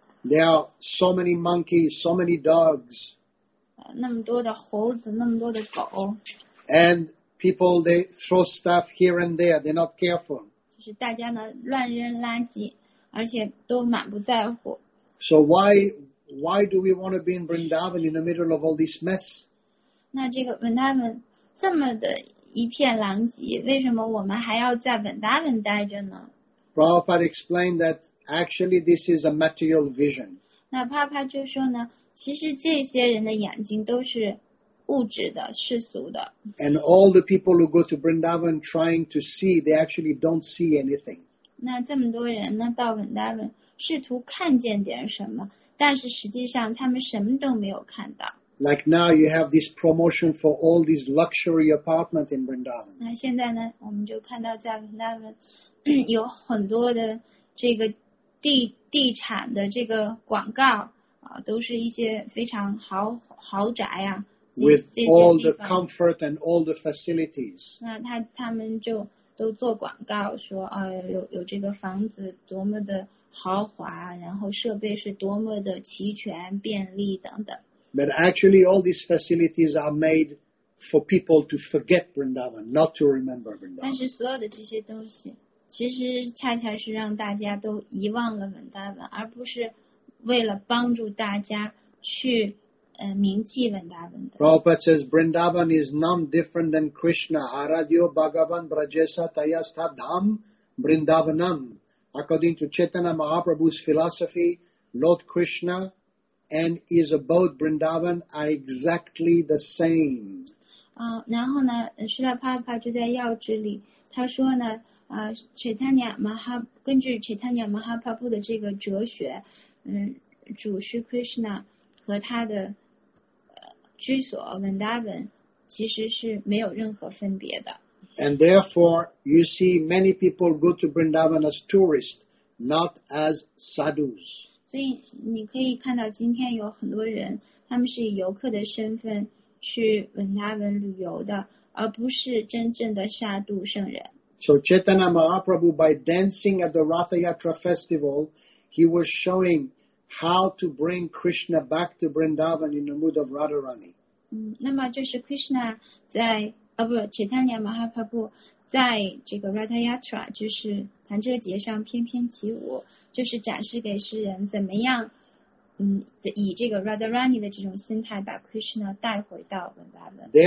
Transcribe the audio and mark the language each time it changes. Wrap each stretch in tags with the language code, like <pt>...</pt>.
<en>There are so many monkeys, so many dogs.</en> <zh>那么多的猴子，那么多的狗。</zh> <en>And people, they throw stuff here and there. They're not careful.</en> <zh>就是大家呢乱扔垃圾，而且都满不在乎。</zh> <en>So why do we want to be in Vrindavan in the middle of all this mess?</en> <zh>那这个 Vrindavan 这么的一片狼藉，为什么我们还要在 Vrindavan 待着呢？</zh> <en>Prabhupada explained that actually this is a material vision.</en> <zh>那 Prabhupada 就说呢，其实这些人的眼睛都是。物质的，世俗的。</zh> <en>And all the people who go to Vrindavan trying to see, they actually don't see anything.</en> <zh>那这么多人呢，到 Vrindavan 试图看见点什么，但是实际上他们什么都没有看到。</zh> <en>Like now you have this promotion for all these luxury apartments in Vrindavan.</en> <zh>那现在呢，我们就看到在 Vrindavan 有很多的这个地产的这个广告啊，都是一些非常豪宅呀、啊。</zh> <en>With all the comfort and all the facilities.</en> <zh>那他们就都做广告说，有这个房子多么的豪华，然后设备是多么的齐全、便利等等。</zh> <en>But actually, all these facilities are made for people to forget Vrindavan, not to remember Vrindavan.</en> <zh>但是所有的这些东西，其实恰恰是让大家都遗忘了 Vrindavan, 而不是为了帮助大家去。</zh> <en>Prabhupada says Vrindavan is none different than Krishna.</en> <sa>Aradyo Bhagavan Brajesa Tayastha Dham Vrindavanam.</sa> <en>According to Chaitanya Mahaprabhu's philosophy, Lord Krishna and is about Vrindavan are exactly the same.</en> <zh>然后呢，释迦帕帕就在要旨里，他说呢，Chaitanya Maha, 根据 Chaitanya Mahaprabhu 的这个哲学，主是 Krishna 和他的居所 Vrindavan 其实是没有任何分别的。</zh> <en>And therefore, you see many people go to Vrindavan as tourists, not as sadhus.</en> <zh>所以你可以看到今天有很多人，他们是以游客的身份去 Vrindavan 旅游的，而不是真正的沙度圣人。</zh> <en>So Chaitanya Mahaprabhu, by dancing at the Ratha Yatra festival, he was showing how to bring Krishna back to Vrindavan in the mood of Radharani.</en> <zh>那么就是 Krishna 在Chaitanya Mahaprabhu 在这个 Ratha Yatra 就是弹车节上翩翩起舞，就是展示给世人怎么样，以这个 Radharani 的这种心态把 Krishna 带回到 Vrindavan。</zh>